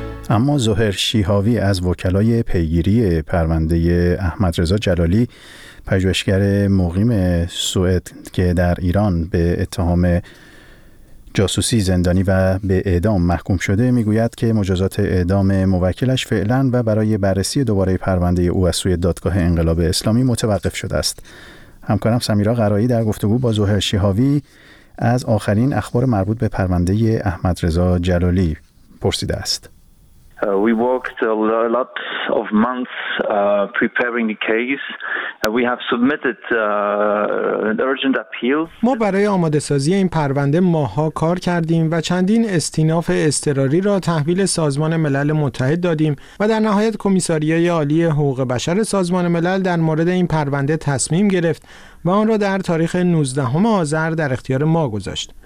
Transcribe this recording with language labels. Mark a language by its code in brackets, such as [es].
[fa] اما ظهر شیهاوی از وکلای پیگیری پرونده احمد رضا جلالی، پژوهشگر مقیم سوئد که در ایران به اتهام جاسوسی زندانی و به اعدام محکوم شده، میگوید که مجازات اعدام موکلش فعلا و برای بررسی دوباره پرونده او از سوی دادگاه انقلاب اسلامی متوقف شده است. همکارم سمیرا قرایی در گفتگو با ظهر شیهاوی از آخرین اخبار مربوط به پرونده احمد رضا جلالی پرسیده است. [en] We worked a lot of months preparing the case. We have submitted an urgent appeal. [fa] ما برای آماده سازی این پرونده ماها کار کردیم و چندین استیناف اضطراری را تحویل سازمان ملل متحد دادیم و در نهایت کمیساریای عالی حقوق بشر سازمان ملل در مورد این پرونده تصمیم گرفت و آن را در تاریخ 19 آذر در اختیار ما گذاشت.